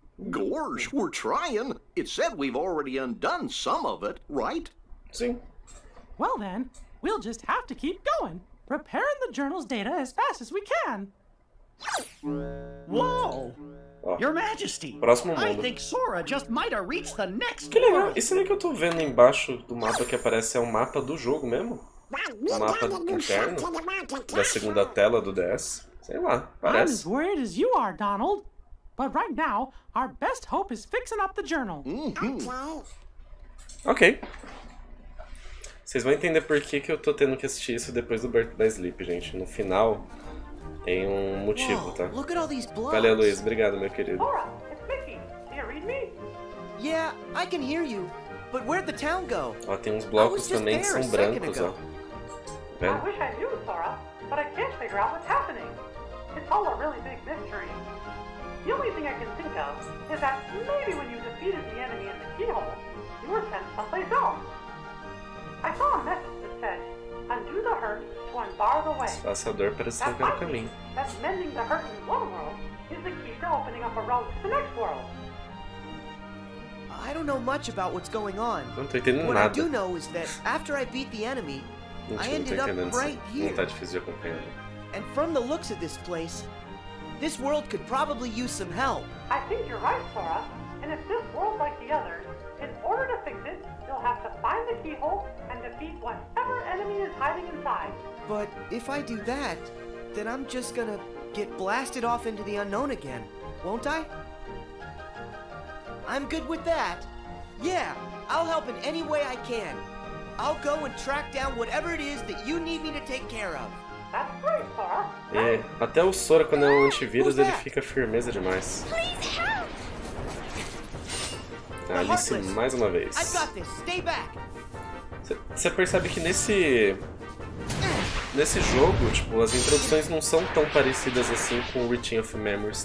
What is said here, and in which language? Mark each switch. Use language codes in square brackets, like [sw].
[en] Gorge, we're trying. It said we've already undone some of it, right? See? Well then, we'll just have to keep going, repairing the journal's data as fast as we can. Whoa! Oh. Your Majesty! [pt] Próximo mundo. [en] I think Sora just might have reached the next [pt] world. Que legal! Esse daqui que eu tô vendo embaixo do mapa que aparece é o mapa do jogo mesmo? O mapa interno? Da segunda tela do DS? Sei lá, parece. [en] I'm as worried as you are, Donald. But right now, our best hope is fixing up the journal. Ok. [pt] Vocês vão entender por que que eu tô tendo que assistir isso depois do Birth by Sleep, gente. No final... Tem um motivo, tá? [en] Look at all these blocks. [pt] Valeu, Luiz. Obrigado, meu querido. [en] Sora, it's Mickey. Can you read me? Yeah, I can hear you. But where'd the town go? [pt] Ó, tem uns blocos também que são brancos, ó. [en] Vê? I wish I knew, Sora, but I can't figure out what's happening. It's all a really big mystery. The only thing I can think of is that maybe when you defeated the enemy in the keyhole, you were sent someplace else. I saw a message that said, undo the hurt. [pt] Espaço a dor para se ver o caminho. [en] That mending the hurt in one world is the key to opening up a route to the next world. I don't know much about what's going on. [pt] Não tô entendendo nada. [en] What I do know is that after I beat the enemy, I ended up right here. [pt] Não tá difícil de acompanhar. [en] And from the looks of this place, this world could probably use some help. I think you're right, Sora. And if this world like the others, in order to fix it, you'll have to find the keyhole and defeat whatever enemy is hiding inside. But if I do that, then I'm just gonna get blasted off into the unknown again, won't I? I'm good with that. Yeah, I'll help in any way I can. I'll go and track down whatever it is that you need me to take care of. That's great, Sora. [pt] É, até o Sora, quando é um antivírus, ele fica firmeza demais. [en] Please help! [pt] Alice, mais uma vez. [en] I've got this. Stay back. [pt] Você percebe que nesse jogo, tipo, as introduções não são tão parecidas assim com o Retinue of Memories.